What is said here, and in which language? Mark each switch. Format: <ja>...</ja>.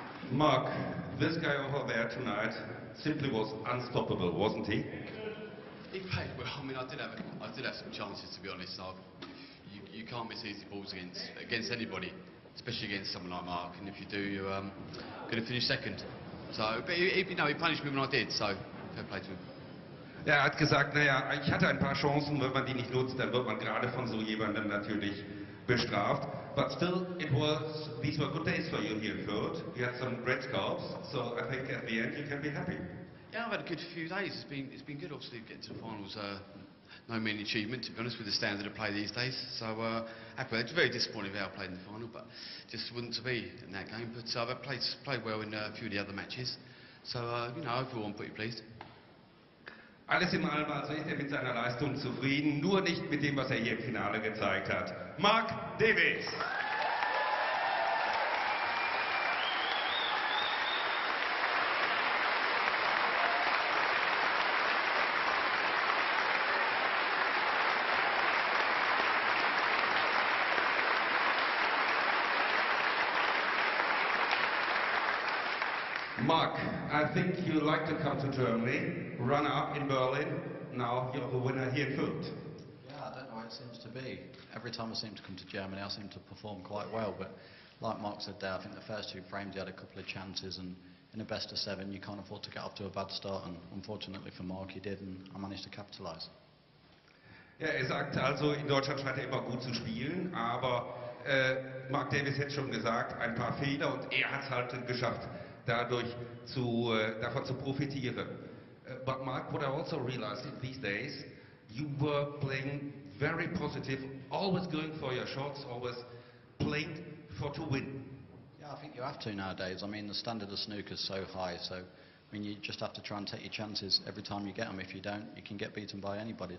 <en>Mark, this guy over there tonight simply was unstoppable, wasn't he? He played well. I mean, I did have some chances, to be honest. You can't miss easy balls against anybody, especially against someone like Mark. And if you do, you're going to finish second. So, but he punished me when I did, so fair play to him.</en> <de>Ja, er hat gesagt, naja, ich hatte ein paar Chancen, wenn man die nicht nutzt, dann wird man gerade von so jemandem natürlich bestraft.</de> <en>But still, these were good days for you here in Fürth. You had some great scores, so I think at the end you can be happy. Yeah, I've had a good few days. It's been good, obviously, getting to the finals. No mean achievement, to be honest, with the standard of play these days. So, happy. It's very disappointing how I played in the final, but just wouldn't to be in that game. But I've played well in a few of the other matches. So, you know, overall, I'm pretty pleased.</en> <de>Alles in allem also ist er mit seiner Leistung zufrieden, nur nicht mit dem, was er hier im Finale gezeigt hat.</de> <en>Mark Davis. Mark, I think you'd like to come to Germany, runner-up in Berlin, now you're the winner here in Fürth. Yeah, I don't know how it seems to be. Every time I seem to come to Germany, I seem to perform quite well, but like Mark said there, I think the first two frames he had a couple of chances, and in a best of seven, you can't afford to get off to a bad start, and unfortunately for Mark, he did, and I managed to capitalise.</en> <de>Ja, er sagt also, in Deutschland scheint er immer gut zu spielen, aber Mark Davis hat schon gesagt, ein paar Fehler, und er hat es halt geschafft, davon zu profitieren.</de> <en>But Mark, what I also realized in these days, you were playing very positive, always going for your shots, always playing for to win. Yeah, I think you have to nowadays. I mean, the standard of snooker is so high, so I mean, you just have to try and take your chances every time you get them. If you don't, you can get beaten by anybody.</en>